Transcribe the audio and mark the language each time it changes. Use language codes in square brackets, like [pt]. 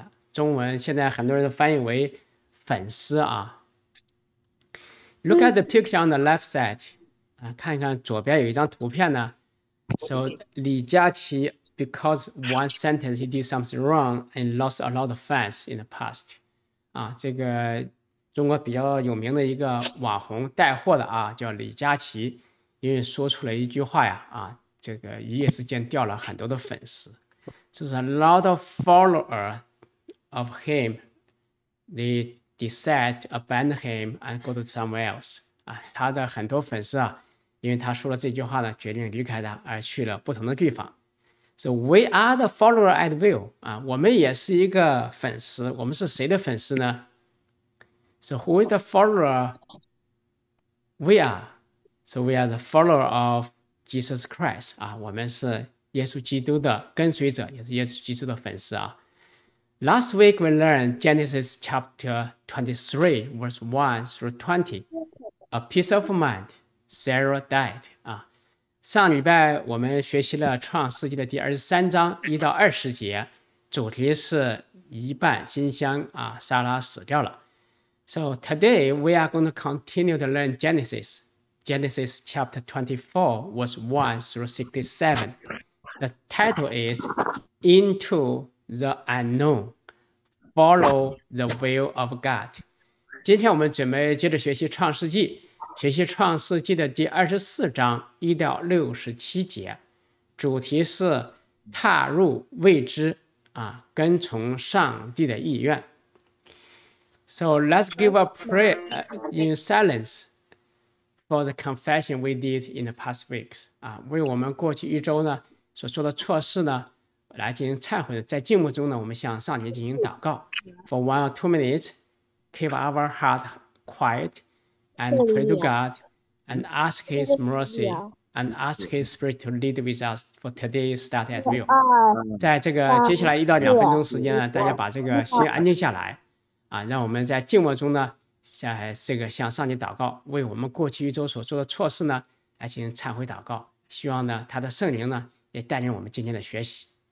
[zh] 中文现在很多人都翻译为粉丝啊。 [en] Look at the picture on the left side. [zh] 看一看左边有一张图片呢。 [en] So, 李佳琦 because one sentence he did something wrong and lost a lot of fans in the past. [zh] 这个中国比较有名的一个网红带货的啊，叫李佳琦，因为说出了一句话呀，这个一夜之间掉了很多的粉丝。 [en] So, a lot of followers. Of him, they decide to abandon him and go to somewhere else. [zh] 他的很多粉丝啊，因为他说了这句话呢，决定离开他而去了不同的地方。 [en] So we are the follower at will. [zh] 我们也是一个粉丝。我们是谁的粉丝呢？ [en] So who is the follower? We are. So we are the follower of Jesus Christ. [zh] 我们是耶稣基督的跟随者，也是耶稣基督的粉丝啊。 [en] Last week we learned Genesis chapter 23, verse 1 through 20, a peace of mind, Sarah died. [zh] 上礼拜我们学习了创世纪的第23章1到20节，主题是一半馨香，莎拉死掉了。 [en] So today we are going to continue to learn Genesis chapter 24, verse 1 through 67. The title is Into... The unknown, follow the will of God. [zh] 今天我们准备接着学习创世纪，学习创世纪的第24章1到67节，主题是踏入未知，跟从上帝的意愿。 [en] So let's give a prayer in silence for the confession we did in the past weeks. [zh] 为我们过去一周呢所做的错事呢来进行忏悔，在静默中呢我们向上帝进行祷告。 [en] For 1 or 2 minutes, keep our heart quiet and pray to God and ask His mercy and ask His Spirit to lead with us for today's start at will. [zh] 在这个接下来一到两分钟时间呢，大家把这个心安静下来。让我们在静默中呢在这个向上帝祷告，为我们过去一周所做的错事呢来进行忏悔祷告，希望呢他的圣灵呢也带领我们今天的学习。